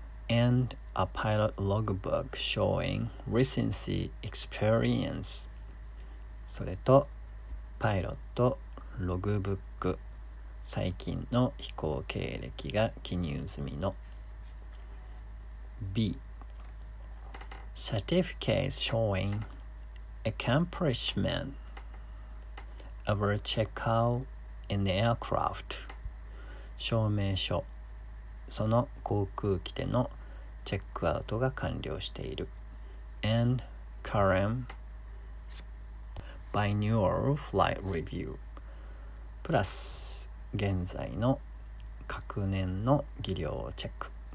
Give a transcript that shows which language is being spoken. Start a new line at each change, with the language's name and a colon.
English: And a pilot logbook showing recent experience.
Japanese: それとパイロットログブック最近の飛行経歴が記入済みの。
English: B. Certificate showing accomplishment of a checkout in the aircraft.
Japanese: 証明書、その航空機でのチェックアウトが完了している。
English: And current biannual flight review.
Japanese: プラス、現在の各年の技量チェック。